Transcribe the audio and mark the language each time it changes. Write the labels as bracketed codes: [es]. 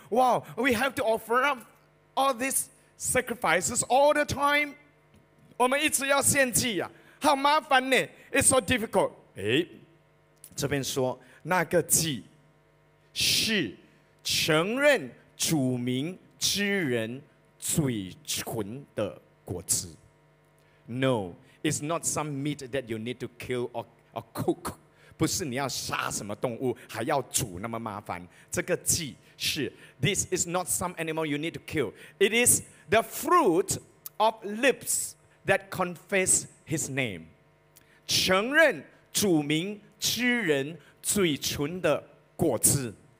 [en] Wow, we have to offer up all these sacrifices all the time. [zh] 我们一直要献祭啊，好麻烦呢。 [en] It's so difficult. [zh] 这边说那个祭是承认主名之人嘴唇的果子。 [en] No, it's not some meat that you need to kill or cook. [zh] 不是你要杀什么动物还要煮那么麻烦。这个祭是 [en] This is not some animal you need to kill. It is the fruit of lips that confess his name. [zh] 承认主名之人嘴唇的果子。